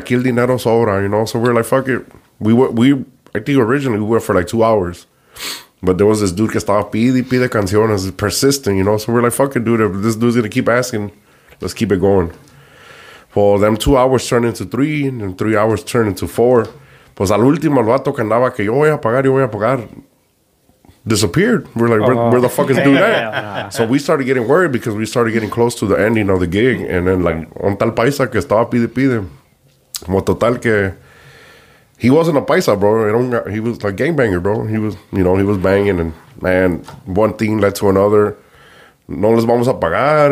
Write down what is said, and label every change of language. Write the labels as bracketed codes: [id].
[es] Aquí el dinero sobra, [en] you know. So we're like, fuck it. I think originally we went for like 2 hours. But there was this dude [es] que estaba pide canciones, [en] persistent, you know. So we're like, fuck it, dude. If this dude's going to keep asking, let's keep it going. Well, them 2 hours turned into three, and then 3 hours turned into four. [es] Pues al último, el vato que andaba que yo voy a pagar, disappeared. [en] We're like, where the fuck is dude at? So we started getting worried because we started getting close to the ending of the gig. [es] And then, like, un tal paisa que estaba pide. Como total que... [en] He wasn't a paisa, bro. He was a gangbanger, bro. He was, you know, he was banging. And, man, one thing led to another. [es] No les vamos a pagar.